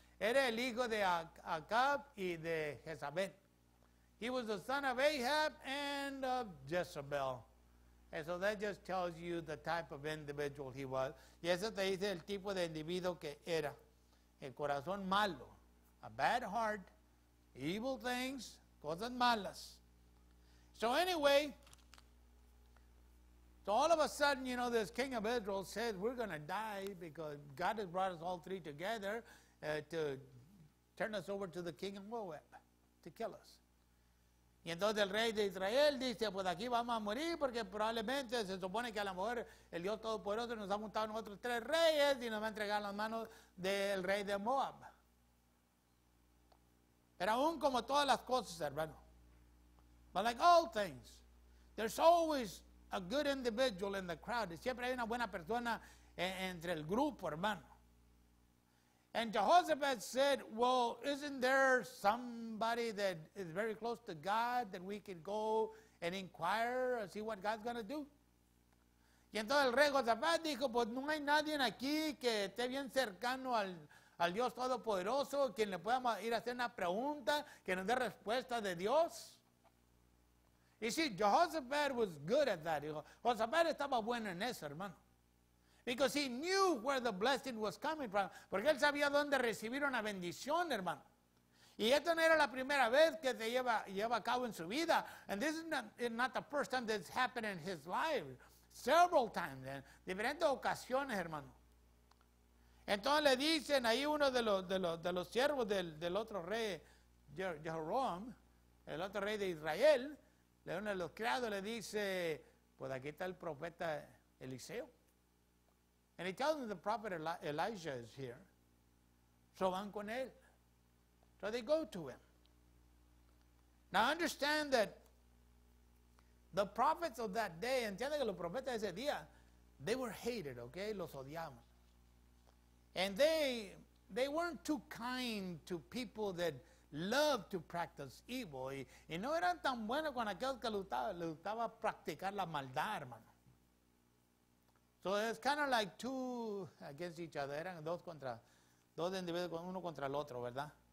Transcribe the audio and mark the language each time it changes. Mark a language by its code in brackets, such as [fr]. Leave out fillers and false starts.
[es] Era el hijo de Acab y de Jezabel. [en] He was the son of Ahab and of Jezebel. And so that just tells you the type of individual he was. [es] Y eso te dice el tipo de individuo que era. El corazón malo. [en] A bad heart. Evil things. [es] Cosas malas. [en] So anyway. So all of a sudden, you know, this king of Israel said, we're going to die because God has brought us all three together to turn us over to the king of Moab to kill us. [es] Y entonces el rey de Israel dice, pues aquí vamos a morir porque probablemente se supone que a lo mejor el Dios Todopoderoso nos ha juntado a nosotros tres reyes y nos va a entregar las manos del rey de Moab. Pero aún como todas las cosas, hermano. [en] But like all things, there's always a good individual in the crowd. [es] Siempre hay una buena persona entre el grupo, hermano. [en] And Jehoshaphat said, well, isn't there somebody that is very close to God that we can go and inquire and see what God's going to do? [es] Y entonces el rey Jehoshaphat dijo, pues no hay nadie aquí que esté bien cercano al Dios Todopoderoso, quien le podamos ir a hacer una pregunta, que nos dé respuesta de Dios. [en] You see, Jehoshaphat was good at that. [es] Jehoshaphat estaba bueno en eso, hermano. [en] Because he knew where the blessing was coming from. [es] Porque él sabía dónde recibir una bendición, hermano. Y esto no era la primera vez que se lleva a cabo en su vida. [en] And this is not the first time that's happened in his life. Several times, [es] en diferentes ocasiones, hermano. Entonces le dicen ahí uno de los siervos del otro rey, Jeroboam, el otro rey de Israel, uno de los criados le dice, pues aquí está el profeta Eliseo. [en] And he tells them the prophet Elijah is here. So [es] van con él. [en] So they go to him. Now understand that the prophets of that day, [es] entiende que los profetas de ese día, [en] they were hated, okay? [es] Los odiamos. [en] And they weren't too kind to people that loved to practice evil. [es] Y no eran tan buenos con aquellos que les gustaba practicar la maldad, hermano. [en] So it's kind of like two against each other. [es] Eran dos individuos, uno contra el otro, ¿verdad?